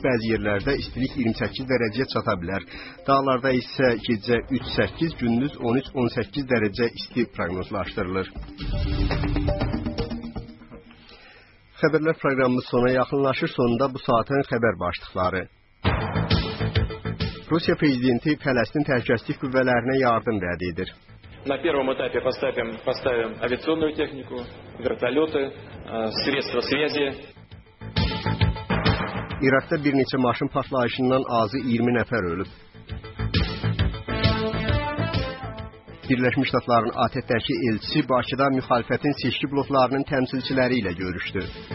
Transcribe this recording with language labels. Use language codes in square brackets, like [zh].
[az] Bəzi yerlərdə istilik 28 dərəcəyə çata bilər. Dağlarda isə gecə 3-8, gündüz 13-18 dərəcə isti proqnozlaşdırılır. Xəbərlər proqramımız sona yaxınlaşır. Sonunda bu saatin xəbər başlıqları. Rusiya prezidenti Fələstin təhlükəsizlik qüvvələrinə yardım vəd edir. [ru] На первом этапе поставим авиационную технику, вертолеты, средства связи. [az] İraqda bir neçə maşın partlayışından azı 20 nəfər ölüb. Birləşmiş Ştatların ATƏT-dəki elçisi Bakıda müxalifətin seçki bloklarının təmsilçiləri ilə görüşdü.